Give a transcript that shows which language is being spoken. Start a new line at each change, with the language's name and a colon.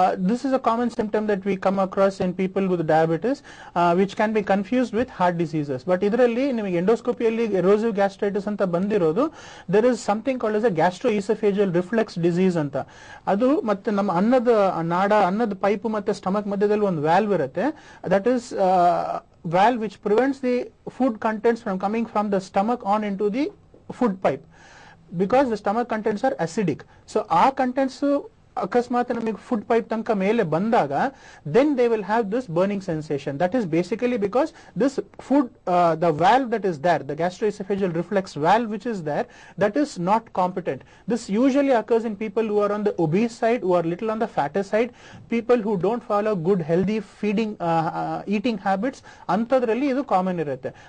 English: This is a common symptom that we come across in people with diabetes, which can be confused with heart diseases. But
Kannada: ಇದರಲ್ಲಿ ನಿಮಗೆ ಎಂಡೋಸ್ಕೋಪಿಯಲ್ಲಿ
English: erosive gastritis
Kannada: ಅಂತ ಬಂದಿರೋದು,
English: There is something called as a gastro oesophageal reflux disease ಅಂತ.
Kannada: ಅದು ಮತ್ತೆ ನಮ್ಮ ಅನ್ನದ ನಾಡ, ಅನ್ನದ ಪೈಪ್ ಮತ್ತೆ ಸ್ಟಮಕ್ ಮಧ್ಯದಲ್ಲಿ ಒಂದು ವ್ಯಾಲ್ವ್ ಇರುತ್ತೆ.
English: That is valve which prevents the food contents from coming from the stomach on into the food pipe, because the stomach contents are acidic. So our contents
Kannada: ಅಕಸ್ಮಾತ್ ನಮಗೆ ಫುಡ್ ಪೈಪ್ ತನಕ ಮೇಲೆ ಬಂದಾಗ,
English: Then they will have this burning sensation. That is basically because this food the valve that is there, the gastro oesophageal reflux valve which is there, that is not competent. This usually occurs in people who are on the obese side, who are little on the fat side, people who don't follow good healthy feeding eating habits
Kannada: ಅಂತದ್ರಲ್ಲಿ ಇದು common ಇರುತ್ತೆ.